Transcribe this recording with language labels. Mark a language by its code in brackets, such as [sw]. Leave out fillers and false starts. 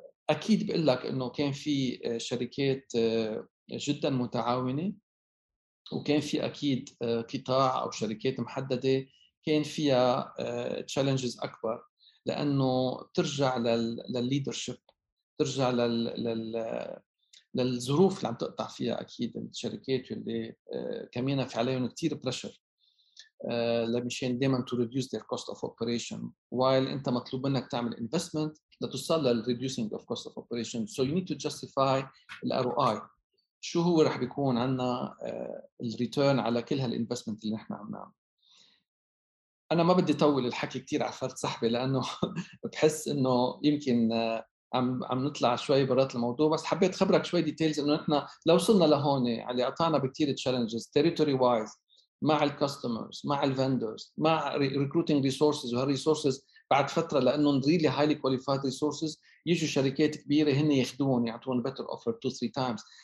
[ar] أكيد بقول لك إنه كان في شركات جدا متعاونة، وكان في أكيد قطاع أو شركات محددة كان فيها تشالنجز أكبر، لأنه ترجع للليدرشيب، ترجع للظروف اللي عم تقطع فيها أكيد الشركات، واللي كمان في عليهم كتير بريشر لمشان دائما [en] to reduce their cost of operation، [ar] while أنت مطلوب منك تعمل investment لتوصل لل [en] reducing of cost of operation. So you need to justify the ROI. [ar] شو هو رح بيكون عنا الريتيرن على كل هالإنفستمنت اللي نحن عم نعمل؟ أنا ما بدي طول الحكي كتير عفرت صحبي، لأنه بحس إنه يمكن عم نطلع شوي برات الموضوع، بس حبيت خبرك شوي ديتيلز إنه نحن لو وصلنا لهون علي أعطانا بكتير تشالنجز تيريتوري وايز مع الكاستومرز مع الفندرز مع ريكروتينج ريسورسز، وهالريسورسز بعد فترة لأنه [en] really highly qualified resources [ar] يجوا شركات كبيرة هن يخدون يعطون [en] better offer [ar] 2-3 times.